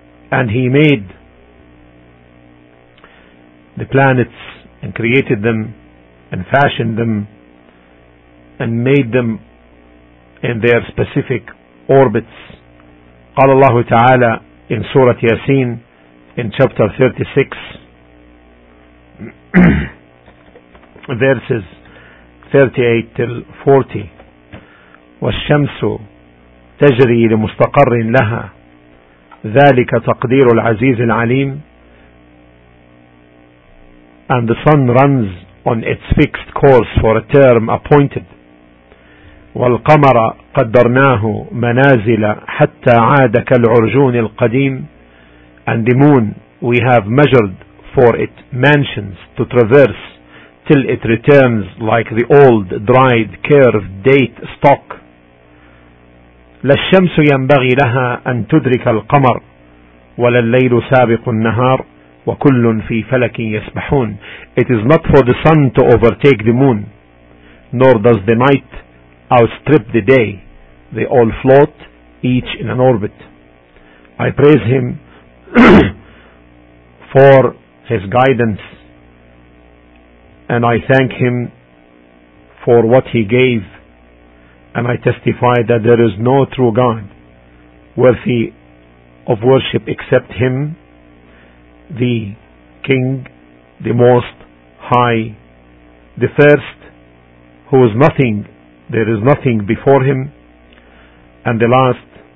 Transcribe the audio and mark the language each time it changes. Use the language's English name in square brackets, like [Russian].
[English] And He made the planets and created them and fashioned them and made them in their specific orbits. [Arabic] قال الله تعالى [English] in Surah Yasin in chapter 36 verses 38 till 40. [Arabic] والشمس تجري لمستقر لها ذلك تقدير العزيز العليم. [English] And the sun runs on its fixed course for a term appointed. [Arabic] والقمر قدرناه منازل حتى عاد كالعرجون القديم. [English] And the moon we have measured for it mansions to traverse till it returns like the old, dried, curved date stock. [Arabic] للشمس ينبغي لها أن تدرك القمر ولا الليل سابق النهار وكل في فلك يسبحون. [English] It is not for the sun to overtake the moon, nor does the night outstrip the day. They all float, each in an orbit. I praise Him for His guidance, and I thank Him for what He gave, and I testify that there is no true God worthy of worship except Him, the King, the Most High, the First, who is nothing, there is nothing before Him, and the Last,